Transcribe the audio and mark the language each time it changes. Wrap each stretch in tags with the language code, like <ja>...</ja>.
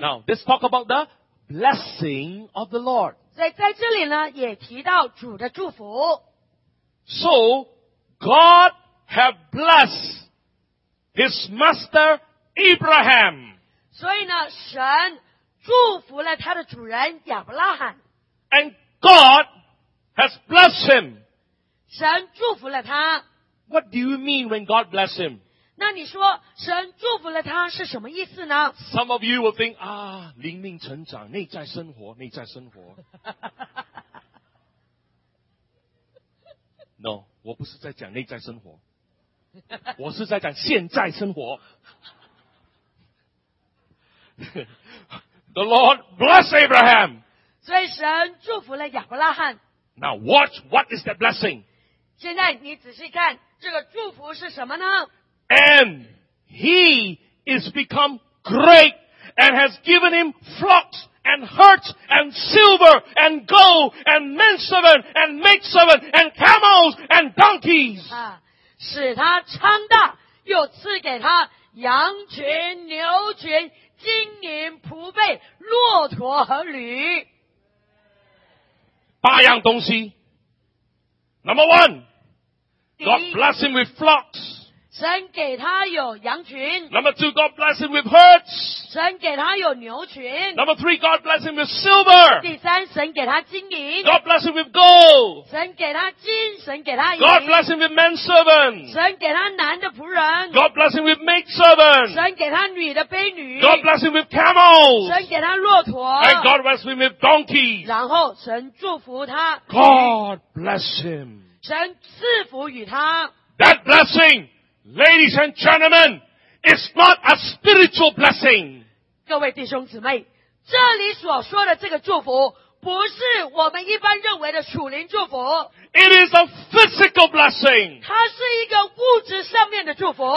<en>Now, let's talk about the blessing of the Lord.</en> <zh>所以在这里呢, 也提到主的祝福。</zh> <en>So, God have blessed his master Abraham.</en> <zh>所以呢, 神祝福了他的主人亚伯拉罕。</zh> <en>And God has blessed him.</en> <zh>神祝福了他。</zh> <en>What do you mean when God bless him?</en> <zh>那你说, 神祝福了他是什么意思呢?</zh> <en>Some of you will think,</en> <zh>啊, 灵命成长, 内在生活, 内在生活。 No, 我不是在讲内在生活。我是在讲现在生活。</zh> <en>The Lord bless Abraham.</en> <zh>所以神祝福了亚伯拉罕。</zh> <en>Now watch, what is that blessing?</en> <zh>现在你仔细看, 这个祝福是什么呢?</zh> <en>And he is become great and has given him flocks and herds and silver and gold and men servant and maid servant and camels and donkeys.</en> <zh>使他昌大, 又赐给他羊群, 牛群, 金银仆辈, 骆驼和驴。八样东西。</zh> <en>Number one, God bless him with flocks.</en> <zh>神给他有羊群。</zh> <en>Number two, God bless him with herds.</en> <zh>神给他有牛群。</zh> <en>Number three, God bless him with silver.</en> <zh>第三,神给他金银。</zh> <en>God bless him with gold.</en> <zh>神给他金,神给他银。</zh> <en>God bless him with men servants.</en> <zh>神给他男的仆人。</zh> <en>God bless him with maid servants.</en> <zh>神给他女的婢女。</zh> <en>God bless him with camels.</en> <zh>神给他骆驼。</zh> <en>And God bless him with donkeys.</en> <zh>然后神祝福他。</zh> <en>God bless him.</en> <zh>神赐福与他。</zh> <en>That blessing, ladies and gentlemen, it's not a spiritual blessing.</en> <zh>各位弟兄姊妹, 这里所说的这个祝福, 不是我们一般认为的属灵祝福。</zh> <en>It is a physical blessing.</en> <zh>它是一个物质上面的祝福。</zh>